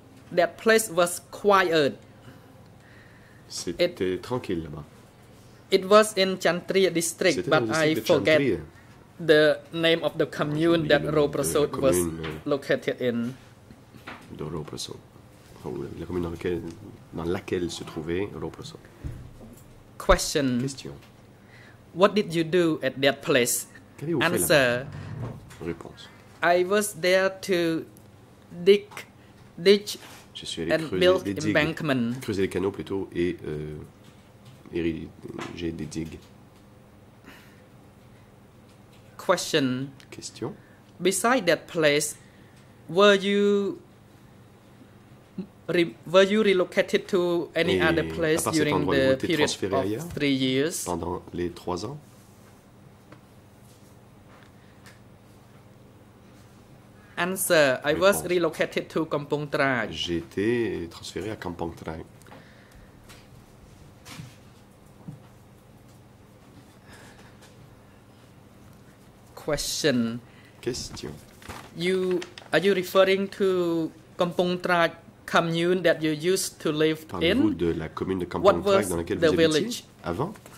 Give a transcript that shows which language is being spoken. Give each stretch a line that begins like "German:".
English: That place was quiet.
French: C'était tranquille là-bas.
English: It was in Chantri district,
French: c'était
English: but district I forget. The name of the commune that Ro Prosod was located in.
French: De Ro Prosod. La commune dans laquelle se trouvait Ro Prosod.
English: Question. What did you do at that place? Answer.
French: Réponse.
English: I was there to dig
French: Je suis allé
English: and build embankment.
French: Creuser les canaux plutôt et ériger des digues.
English: Question. Beside that place, were you relocated to any
French: Et
English: other place during the period of 3 years?
French: Pendant les 3 ans.
English: Answer.
French: Réponse.
English: I was relocated to Kampong Trai.
French: J'ai été transféré à Kampong Trai.
English: Question. Are you referring to Kampong Tra commune that you used to live in?
French: Parlez-vous de la commune de Kampong Tra dans laquelle vous habitiez avant?